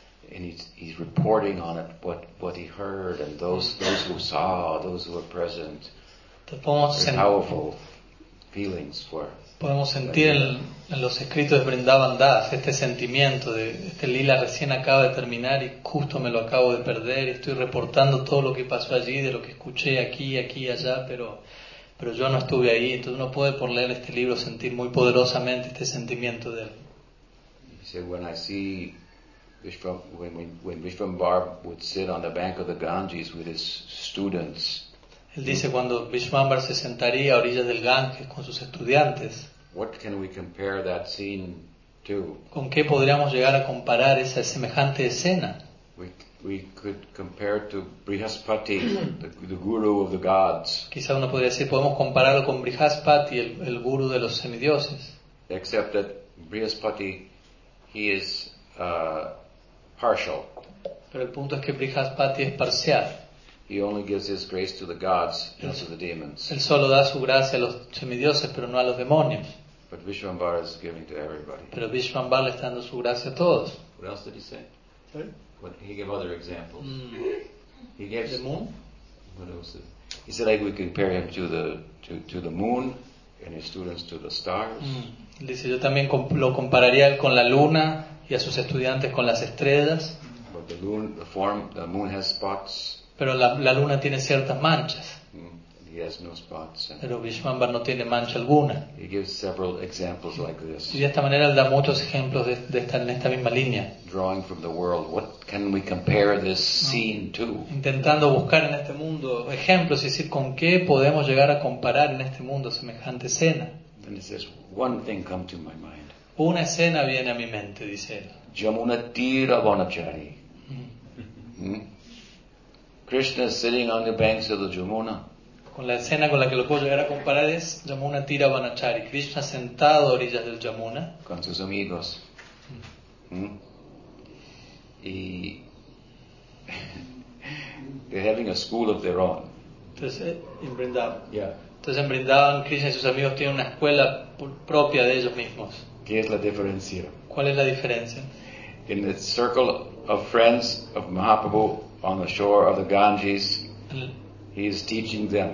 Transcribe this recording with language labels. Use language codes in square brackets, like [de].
[en] And he's reporting on it, what he heard, and those who saw, those who were present. Powerful feelings for. [es] Podemos sentir en los escritos de Vrindavan Das este sentimiento de este Lila recién acaba de terminar y justo me lo acabo de perder. Estoy reportando todo lo que pasó allí, de lo que escuché aquí, aquí, allá, pero yo no estuve ahí. Entonces uno puede, por leer este libro, sentir muy poderosamente este sentimiento de él. Dice, cuando veo [en] when Vishvambhar would sit on the bank of the Ganges with his students. [es] Él dice, cuando Vishvambhar se sentaría a orillas del Ganges con sus estudiantes. [en] What can we compare that scene to? [es] ¿Con qué podríamos llegar a comparar esa semejante escena? [en] We could compare to Brihaspati, the guru of the gods. [es] Quizá uno podría decir, podemos compararlo con Brihaspati, el guru de los semidioses. [en] Except that Brihaspati, he is partial. [es] Pero el punto es que Brihaspati es parcial. [en] He only gives his grace to the gods, not to the demons. [es] Él solo da su gracia a los semidioses, pero no a los demonios. [en] But Vishvambhar is giving to everybody. [es] Pero Vishvambhar le está dando su gracia a todos. [en] What else did he say? He gave other examples. He gave the moon. What else? He said, like, we compare him to the moon, and his students to the stars. [es] Dice, yo también lo compararía con la luna y a sus estudiantes con las estrellas. [en] But the moon, the form, the moon has spots. [es] Pero la luna tiene ciertas manchas. [en] He has no spots. [es] Pero Vishvambhar no tiene mancha alguna. [en] He gives several examples like this. [es] Y de esta manera él da muchos ejemplos de estar en esta misma línea. [en] Drawing from the world, what can we compare this scene to? [es] Intentando buscar en este mundo ejemplos y decir con qué podemos llegar a comparar en este mundo semejante escena. [en] And he says, one thing come to my mind. [es] Una escena viene a mi mente, dice él. [sa] Yamuna Tira Vanachari. [en] Krishna is sitting on the banks of the Yamuna. [es] Con la escena con la que lo puedo llegar a comparar es Yamuna Tira Vanachari. Krishna sentado a orillas del Yamuna. Con sus amigos. [en] Y they're having a school of their own. [es] Entonces, en Vrindavan. [en] Yeah. [es] Entonces en Vrindavan, Krishna y sus amigos tienen una escuela propia de ellos mismos. ¿Qué es la diferencia? ¿Cuál es la diferencia? [en] In the circle of friends of Mahaprabhu, on the shore of the Ganges, he is teaching them.